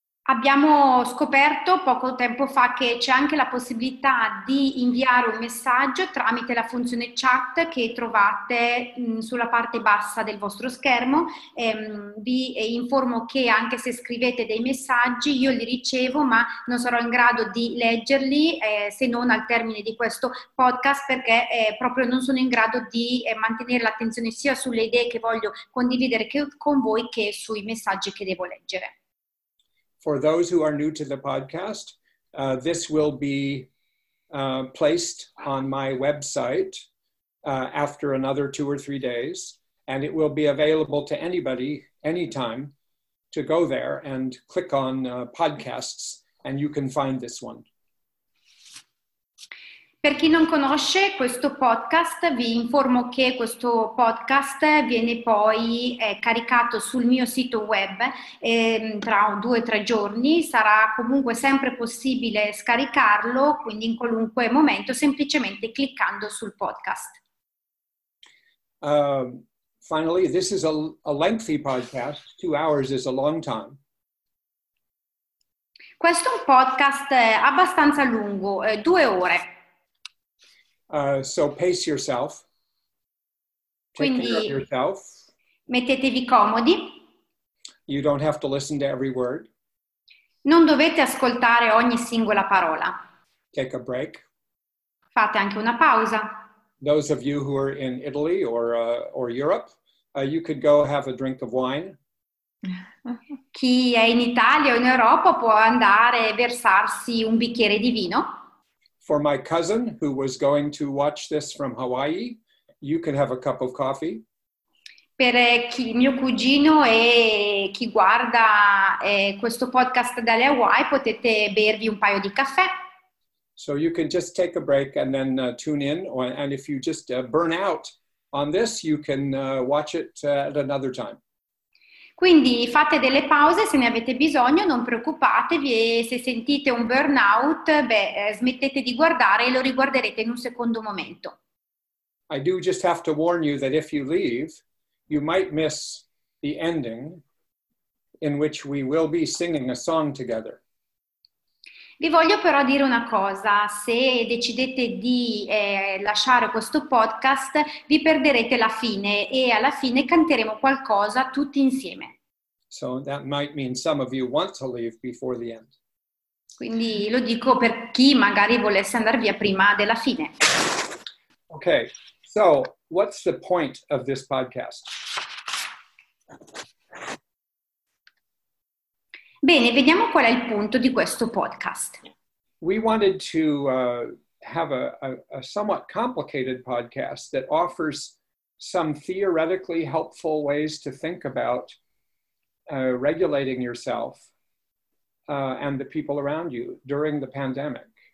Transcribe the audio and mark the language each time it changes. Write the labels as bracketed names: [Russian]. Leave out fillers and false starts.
[Italian] Abbiamo scoperto poco tempo fa che c'è anche la possibilità di inviare un messaggio tramite la funzione chat che trovate sulla parte bassa del vostro schermo. Vi informo che anche se scrivete dei messaggi, io li ricevo, ma non sarò in grado di leggerli se non al termine di questo podcast, perché proprio non sono in grado di mantenere l'attenzione sia sulle idee che voglio condividere con voi che sui messaggi che devo leggere. [English] For those who are new to the podcast, this will be placed on my website after another 2 or 3 days, and it will be available to anybody, anytime, to go there and click on podcasts, and you can find this one. [Italian] Per chi non conosce questo podcast, vi informo che questo podcast viene poi caricato sul mio sito web tra 2 o 3 giorni. Sarà comunque sempre possibile scaricarlo, quindi in qualunque momento, semplicemente cliccando sul podcast. [English] Finally, this is a lengthy podcast. 2 hours is a long time. [Italian] Questo è un podcast abbastanza lungo, 2 ore. [English] So pace yourself. [Italian] Quindi, [English] take care of yourself. [Italian] Mettetevi comodi. [English] You don't have to listen to every word. [Italian] Non dovete ascoltare ogni singola parola. [English] Take a break. [Italian] Fate anche una pausa. [English] Those of you who are in Italy or Europe, you could go have a drink of wine. [Italian] Chi è in Italia o in Europa può andare e versarsi un bicchiere di vino. [English] For my cousin who was going to watch this from Hawaii, you can have a cup of coffee. [Italian] Per chi, mio cugino e chi guarda questo podcast dalle Hawaii, potete bervi un paio di caffè. [English] So you can just take a break and then tune in, and if you just burn out on this, you can watch it at another time. [Italian] Quindi fate delle pause se ne avete bisogno, non preoccupatevi, e se sentite un burnout, smettete di guardare e lo riguarderete in un secondo momento. [English] I do just have to warn you that if you leave, you might miss the ending, in which we will be singing a song together. [Italian] Vi voglio però dire una cosa, se decidete di lasciare questo podcast, vi perderete la fine e alla fine canteremo qualcosa tutti insieme. [English] So that might mean some of you want to leave before the end. [Italian] Quindi lo dico per chi magari volesse andare via prima della fine. [English] Okay, so what's the point of this podcast? [Italian] Bene, vediamo qual è il punto di questo podcast. [English] We wanted to have a somewhat complicated podcast that offers some theoretically helpful ways to think about regulating yourself and the people around you during the pandemic.